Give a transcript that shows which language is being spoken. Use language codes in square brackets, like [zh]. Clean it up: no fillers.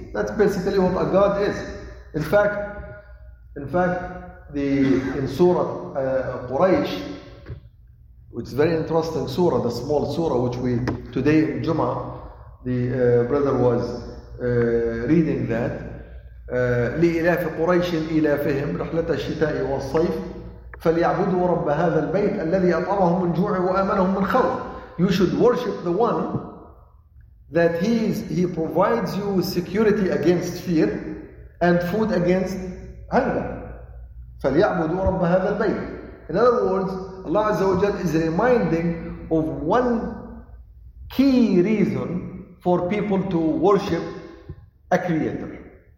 [en] That's basically what a God is. In fact, in Surah Quraysh, which is a very interesting surah, the small surah which we today in Jummah, the brother was reading that. [ar] لإلاف قريش إلافهم رحلة الشتاء والصيف فليعبدوا رب هذا البيت الذي أطعمهم من جوع وأمنهم من خوف. [en] You should worship the one that he provides you with security against fear and food against hunger. [ar] فليعبدوا رب هذا البيت. [en] In other words, Allah Azza wa Jal is reminding of one key reason for people to worship a creator.